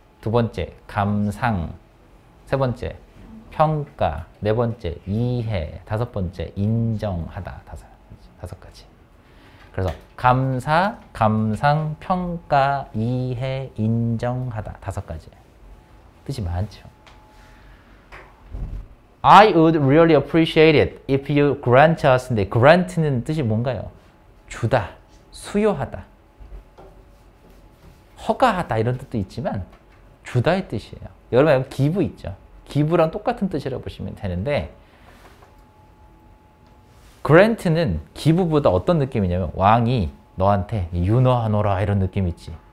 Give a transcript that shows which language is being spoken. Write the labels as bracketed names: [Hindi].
[Korean] 두 번째, 감상. 세 번째, 평가. 네 번째, 이해. 다섯 번째, 인정하다. 다섯 가지. 그래서 감사, 감상, 평가, 이해, 인정하다. 다섯 가지. 뜻이 많죠. [English] I would really appreciate it if you grant us. [Korean] 근데 grant는 뜻이 뭔가요? 주다, 수여하다, 허가하다 이런 뜻도 있지만 주다의 뜻이에요. 여러분 여기 give 있죠? give랑 똑같은 뜻이라고 보시면 되는데 grant는 give보다 어떤 느낌이냐면 왕이 너한테 유노하노라 이런 느낌 있지.